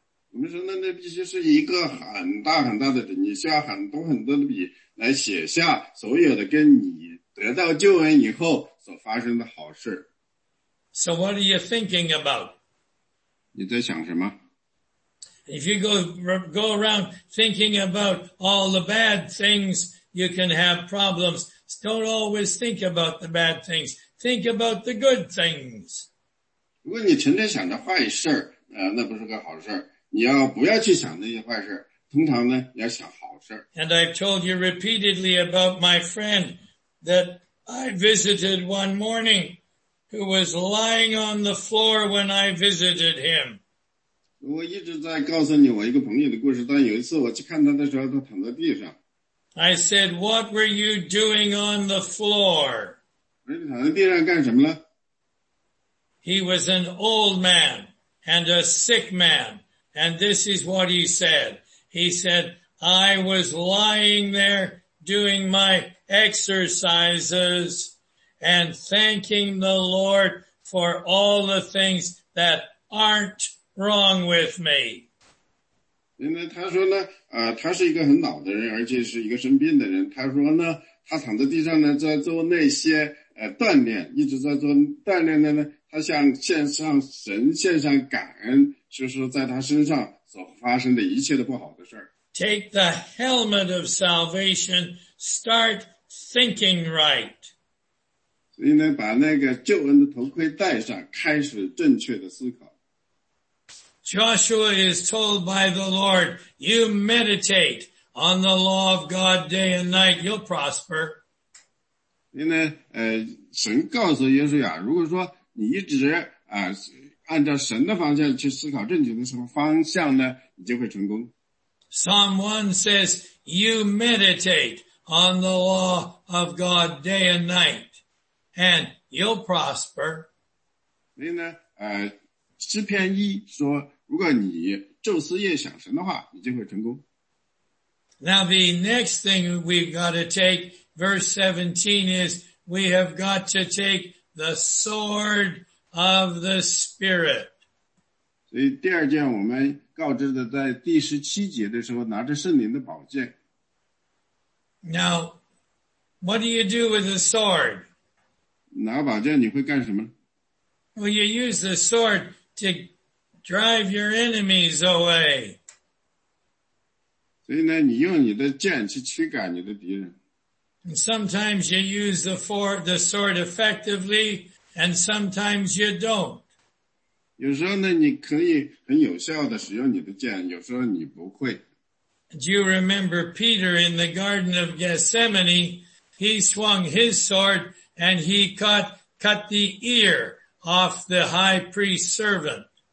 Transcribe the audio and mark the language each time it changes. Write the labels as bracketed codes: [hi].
[zh] 我们说那必须是一个很大很大的纸你需要很多很多的笔来写下所有的跟你得到救恩以后所发生的好事。 [en] So what are you thinking about? [zh] 你在想什么 [en] If you go around thinking about all the bad things, you can have problems. Don't always think about the bad things. Think about the good things. [zh] 如果你成天想着坏事那不是个好事。你要不要去想那些坏事通常呢要想好事。 [en] And I've told you repeatedly about my friend that I visited one morning who was lying on the floor when I visited him. [zh] 我一直在告诉你我一个朋友的故事但有一次我去看他的时候他躺在地上。 [en] I said, what were you doing on the floor? [zh] 你躺在地上干什么了 [en] He was an old man and a sick man. And this is what he said. He said, I was lying there doing my exercises and thanking the Lord for all the things that aren'tWrong with me. [zh] 因为他说呢他是一个很老的人而且是一个生病的人。他说呢他躺在地上呢在做那些锻炼一直在做锻炼的呢他向献上神献上感恩就是在他身上所发生的一切的不好的事。 [en] Take the helmet of salvation, start thinking right. [zh] 所以呢把那个救恩的头盔戴上开始正确的思考。 [en] Joshua is told by the Lord, you meditate on the law of God day and night, you'll prosper. [zh] 因为神告诉约书亚如果说你一直按照神的方向去思考正确的什么方向呢，你就会成功。 [en] Psalm 1 says, you meditate on the law of God day and night, and you'll prosper. [zh] 所以呢，诗篇一说，如果你昼思夜想神的话，你就会成功。 [en] Now the next thing we've got to take, verse 17 is, we have got to take the sword of the Spirit. [zh] 所以第二件我们告知的在第十七节的时候拿着圣灵的宝剑。 [en] Now, what do you do with a sword? [zh] 拿宝剑你会干什么？ [en] Well, you use the sword to drive your enemies away. [zh] 所以呢，你用你的剑去驱赶你的敌人。 [en] And sometimes you use the sword effectively, and sometimes you don't. [zh] 有时候呢，你可以很有效地使用你的剑，有时候你不会。 [en] Do you remember Peter in the Garden of Gethsemane? He swung his sword and he cut the ear off the high priest's servant.